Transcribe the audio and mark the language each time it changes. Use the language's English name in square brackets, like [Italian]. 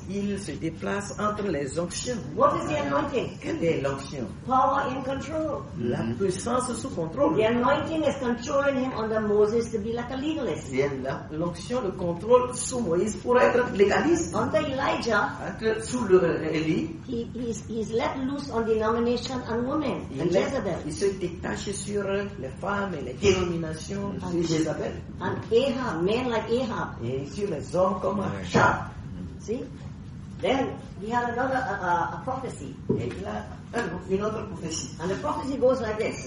[French] Il se déplace entre les onctions. [English] What is the anointing? [French] Quelle est l'onction? [English] Power in control. [French] La puissance sous contrôle. [English] The anointing is controlling him under Moses to be like a legalist. [French] L'onction le contrôle sous Moïse pour être légaliste. [English] Under Elijah, [French] sous le Élie, [English] he's let loose on denomination and women and Jezebel. [French] Il se détache sur les femmes et les dénominations de Jezebel. [English] And Ahab, men like Ahab. [French] Et sur les hommes comme Ahab. [English] See? Then we have another a prophecy. [French] Une autre prophecy. [English] And the prophecy goes like this.